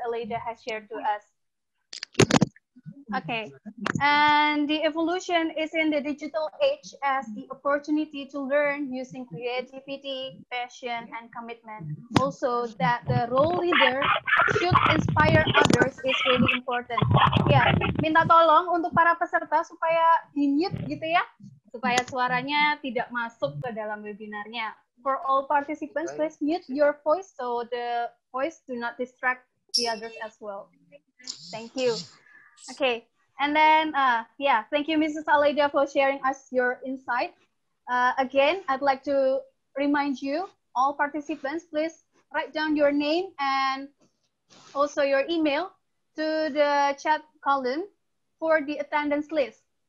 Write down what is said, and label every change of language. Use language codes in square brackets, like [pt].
[en] Aleida has shared to us. Okay. And the evolution is in the digital age as the opportunity to learn using creativity, passion, and commitment. Also, that the role leader should inspire others is really important. [id] Yeah, minta tolong untuk para peserta supaya di-mute gitu ya, supaya suaranya tidak masuk ke dalam webinarnya. [en] For all participants, please mute your voice so the voice do not distract the others as well. Thank you. Okay, and then, yeah, thank you, Mrs. Aleida, for sharing us your insight. Again, I'd like to remind you, all participants, please write down your name and also your email to the chat column for the attendance list.